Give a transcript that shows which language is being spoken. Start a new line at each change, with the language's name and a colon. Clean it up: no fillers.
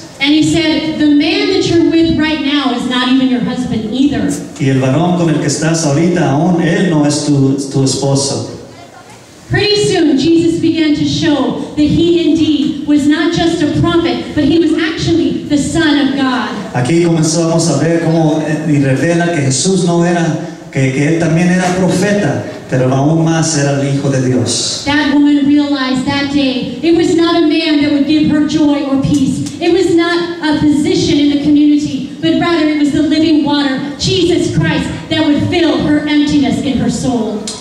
English: And he said, the man that you're with right now is not even your husband either.
Spanish: Y el varón con el que estás ahorita, aún él no es tu esposo.
English: Pretty soon, Jesus began to show that he indeed was not just a prophet, but he was actually the Son of God.
Spanish: Aquí comenzamos a ver cómo y revela que Jesús no era, que él también era profeta, pero aún más era el Hijo de Dios.
English: That woman realized that day it was not a man that would give her joy or peace. It was not a position in the community, but rather it was the living water, Jesus Christ, that would fill her emptiness in her soul.